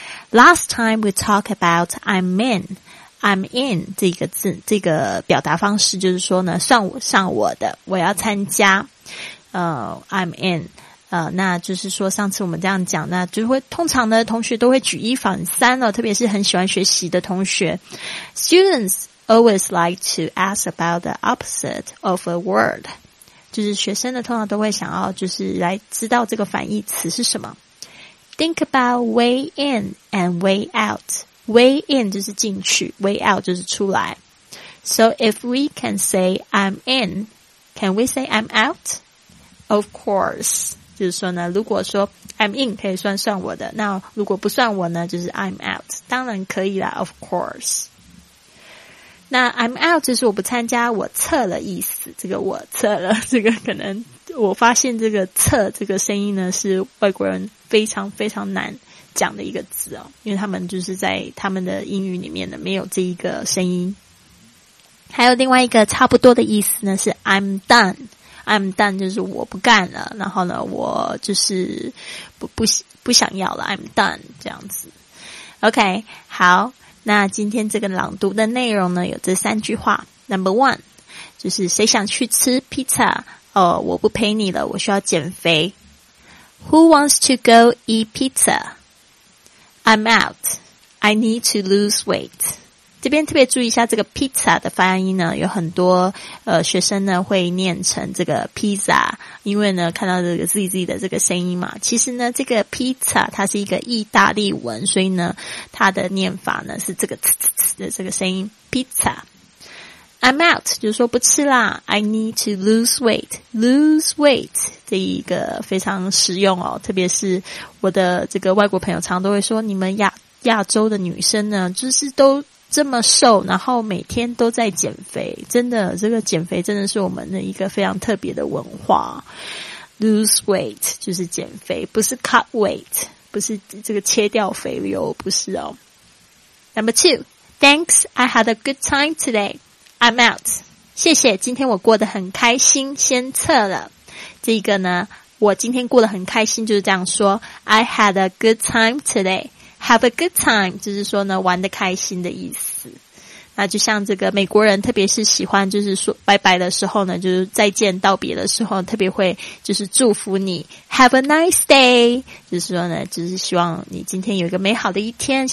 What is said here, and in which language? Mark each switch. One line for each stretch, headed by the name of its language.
English: Last time we talk about I'm in,
Chinese: I'm in 这个字，这个表达方式就是说呢，算我的，我要参加。
English: I'm in。
Chinese: 那就是说上次我们这样讲，那就会通常呢，同学都会举一反三了，特别是很喜欢学习的同学 ，students。
English: Always like to ask about the opposite of a word.
Chinese: 就是学生呢通常都会想要就是来知道这个反义词是什么。
English: Think about way in and way out. Way in
Chinese: 就是进去，
English: way out
Chinese: 就是出来。
English: So if we can say I'm in, can we say I'm out? Of course.
Chinese: 就是说呢，如果说
English: I'm in
Chinese: 可以算我的，那如果不算我呢，就是
English: I'm out.
Chinese: 当然可以啦，
English: of course.
Chinese: 那
English: I'm out
Chinese: 就是我不参加，我撤了意思。这个我撤了，这个可能我发现这个撤这个声音呢，是外国人非常非常难讲的一个字哦，因为他们就是在他们的英语里面呢没有这一个声音。还有另外一个差不多的意思呢，是
English: I'm done，
Chinese: I'm done 就是我不干了，然后呢我就是不想要了， I'm done 这样子。
English: OK，
Chinese: 好。那今天这个朗读的内容呢，有这三句话。
English: Number one，
Chinese: 就是谁想去吃 pizza？ 哦，我不陪你了，我需要减肥。
English: Who wants to go eat pizza？ I'm out. I need to lose weight.
Chinese: 这边特别注意一下这个 pizza 的发音呢，有很多学生呢会念成这个 pizza， 因为呢看到这个 zz 的这个声音嘛。其实呢这个 pizza 它是一个意大利文，所以呢它的念法呢是这个 tsss 的这个声音 pizza。
English: I'm out，
Chinese: 就是说不吃啦。
English: I need to lose weight， lose weight
Chinese: 这一个非常实用哦，特别是我的这个外国朋友常都会说，你们亚洲的女生呢，就是都这么瘦，然后每天都在减肥，真的，这个减肥真的是我们的一个非常特别的文化。
English: Lose weight
Chinese: 就是减肥，不是
English: cut weight，
Chinese: 不是这个切掉肥油，不是哦。
English: Number two， thanks， I had a good time today。 I'm out，
Chinese: 谢谢，今天我过得很开心，先撤了。这个呢，我今天过得很开心，就是这样说。
English: I had a good time today。 Have a good time，
Chinese: 就是说呢，玩得开心的意思。那就像这个美国人，特别是喜欢就是说拜拜的时候呢，就是再见道别的时候，特别会就是祝福你 ，
English: Have a nice day，
Chinese: 就是说呢，就是希望你今天有一个美好的一天。